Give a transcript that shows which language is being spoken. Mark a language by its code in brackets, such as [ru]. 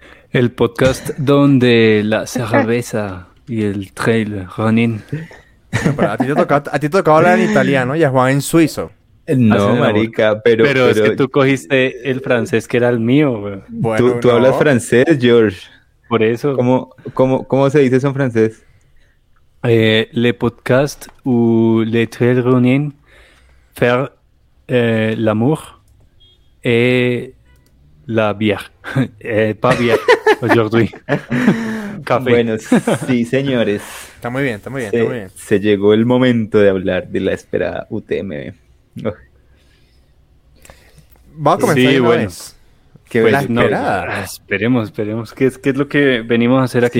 [es] El podcast donde la cerveza y el trail running. No, pero a ti te tocaba hablar en italiano y a Juan en suizo. No, marica, pero es que tú cogiste el francés que era el mío. Bueno, tú hablas francés, George. Por eso. ¿Cómo se dice eso en francés? [fr] Le podcast ou le trail running, faire l'amour et la bière. Pas bière, aujourd'hui. [es] Café. Bueno, sí, señores. Está muy bien, está muy bien, está muy bien. Se llegó el momento de hablar de la esperada UTMB. Va a comenzar. Sí, bueno. Vez. Qué pues, no, esperemos. ¿Qué es lo que venimos a hacer aquí?